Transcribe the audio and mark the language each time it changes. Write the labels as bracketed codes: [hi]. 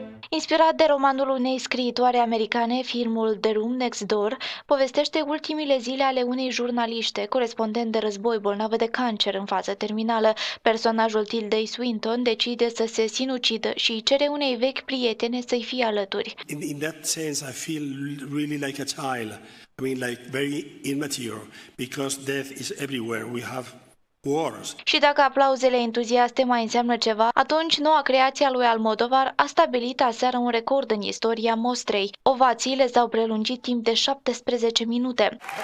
[ro] Inspirat de romanul unei scriitoare americane, filmul The Room Next Door povestește ultimile zile ale unei jurnaliște, corespondent de război, bolnavă de cancer în fază terminală. Personajul Tilda Swinton decide să se sinucidă și cere unei vechi prietene să-i fie alături. [en] In that sense, I feel really like a child. I mean, like very immature, because death is everywhere. We have wars. [ro] Și dacă aplauzele entuziaste mai înseamnă ceva, atunci noua creație a lui Almodovar a stabilit aseară un record în istoria mostrei. Ovațiile s-au prelungit timp de 17 minute.